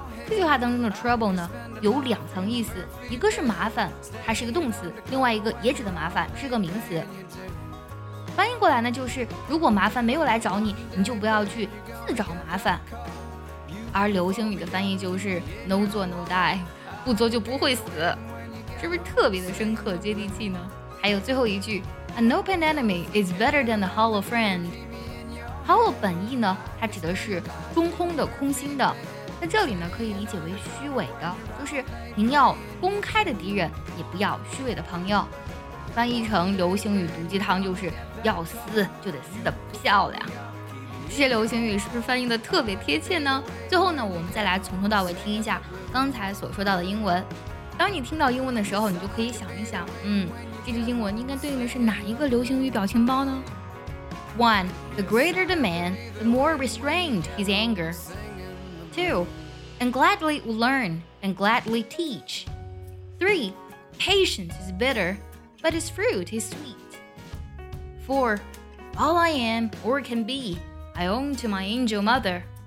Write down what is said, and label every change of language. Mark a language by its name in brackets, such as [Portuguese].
[Chinese] 这句话当中的 trouble 呢有两层意思，一个是麻烦它是一个动词，另外一个也指的麻烦是个名词。翻译过来呢就是如果麻烦没有来找你，你就不要去自找麻烦。而流行语的翻译就是 no 作 no die， 不作就不会死，是不是特别的深刻接地气呢？还有最后一句 [English] An open enemy is better than a hollow friend。 [Chinese] hollow 本意呢它指的是中空的空心的，在这里呢可以理解为虚伪的，就是您要公开的敌人也不要虚伪的朋友。翻译成流行语毒鸡汤就是要撕就得撕得漂亮。这些流行语是不是翻译得特别贴切呢？最后呢我们再来从头到尾听一下刚才所说到的英文。当你听到英文的时候，你就可以想一想这句英文应该对应的是哪一个流行语表情包呢？ 1. [English] The greater the man, the more restrained his anger。 2. And gladly will learn and gladly teach. 3. Patience is bitter, but its fruit is sweet. 4. All I am or can be, I own to my angel mother.